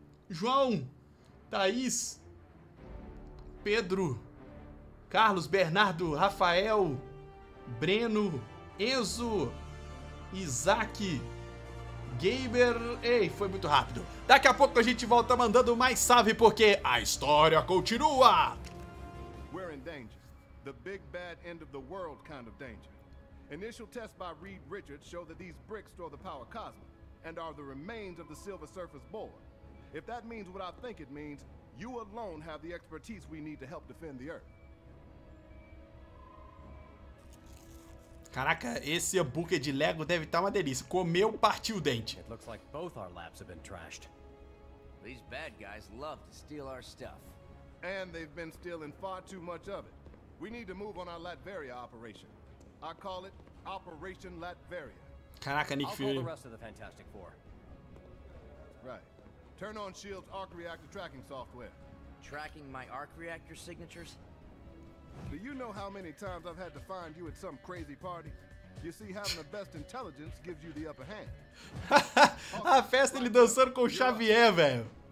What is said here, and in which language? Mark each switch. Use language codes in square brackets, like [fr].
[pt] João, Thaís, Pedro, Carlos, Bernardo, Rafael, Breno, Enzo, Isaac, Gamer... Ei, foi muito rápido. Daqui a pouco a gente volta mandando mais salve, porque a história continua! [en] We're in danger. The big bad end of the world kind of danger. Initial tests by Reed Richards show that these bricks store the power cosmic and are the remains of the Silver Surface Board. If that means what I think it means, you alone have the expertise we need to help defend the Earth. [pt] Caraca, esse hambúrguer de Lego deve estar uma delícia. Comeu, partiu o dente. [en] It looks like both our labs have been trashed. These bad guys love to steal our stuff. And they've been stealing far too much of it. We need to move on our Latveria operation. I call it Operation Latveria. [pt] Caraca, Nick Fury. [en] I'll call the rest of the Fantastic Four. Right. Turn on Shield's arc reactor tracking software. Tracking my arc reactor signatures? Do you know how many times I've had to find you at some crazy party? You see, having the best intelligence gives you the upper hand. [pt] A festa, ele dançando com o Xavier, velho.